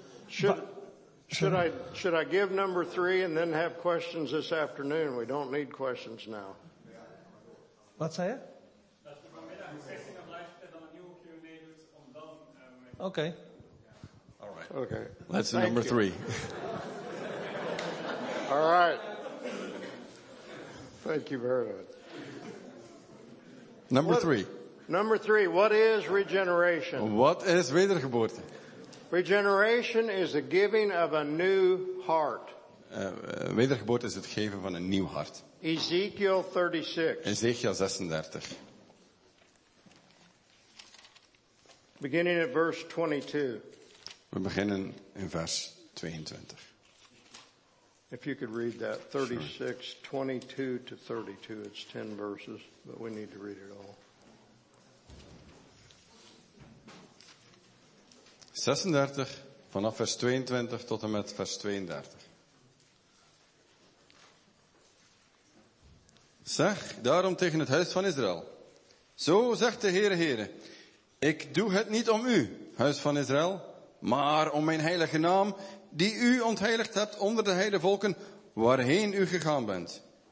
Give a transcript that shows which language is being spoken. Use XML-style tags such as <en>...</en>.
<en>Should I give number three and then have questions this afternoon? We don't need questions now.</en> <nl>Wat zei je? Dat je vanmiddag een sessie nog blijft en dan een nieuwe Q&A doet om dan... Oké.</nl> <en>All right. Okay. That's the number three. All right. Thank you very much. Number three. Number three. What is regeneration? What is wedergeboorte? Regeneration is the giving of a new heart.</en> <nl>Wedergeboorte is het geven van een nieuw hart.</nl> <en>Ezekiel 36. Ezekiel 36. Beginning at verse 22.</en> <nl>We beginnen in vers 22.</nl> <en>If you could read that, 36, sure. 22 to 32. It's 10 verses, but we need to read it all.</en> <nl>36, vanaf vers 22 tot en met vers 32. Zeg daarom tegen het huis van Israël. Zo zegt de Heere, Heere. Ik doe het niet om u, huis van Israël, maar om mijn heilige naam, die u ontheiligd hebt onder de heidenvolken waarheen u gegaan bent.</nl>